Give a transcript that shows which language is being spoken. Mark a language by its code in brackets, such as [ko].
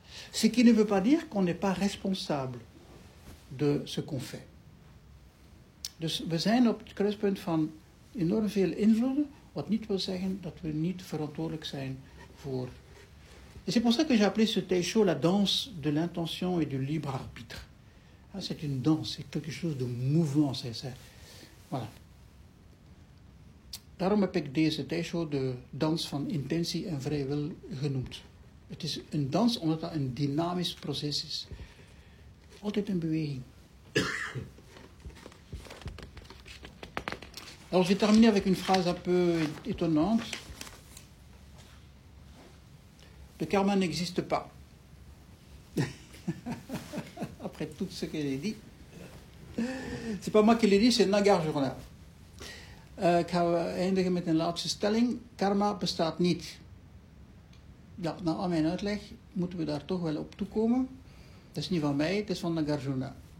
[fr] Ce qui ne veut pas dire qu'on n'est pas responsable de ce qu'on fait. [nl] Dus we zijn op het kruispunt van enorm veel invloeden, wat niet wil zeggen dat we niet verantwoordelijk zijn voor. [fr] Et c'est pour ça que j'ai appelé ce Taisho la danse de l'intention et du libre arbitre. C'est une danse, c'est quelque chose de mouvant, c'est ça. Voilà. [nl] Daarom heb ik deze Taisho de dans van intentie en vrije wil genoemd. Het is een dans omdat dat een dynamisch proces is. Altijd in beweging. [fr] Alors, je vais terminer avec une phrase un peu étonnante. Le karma n'existe pas. Après tout ce que j'ai dit. C'est pas moi qui l'ai dit, c'est Nagarjuna. [nl] Ik ga eindigen met een laatste stelling. Karma bestaat niet. Ja, na al mijn uitleg moeten we daar toch wel op toekomen. Dat is niet van mij, het is van Nagarjuna.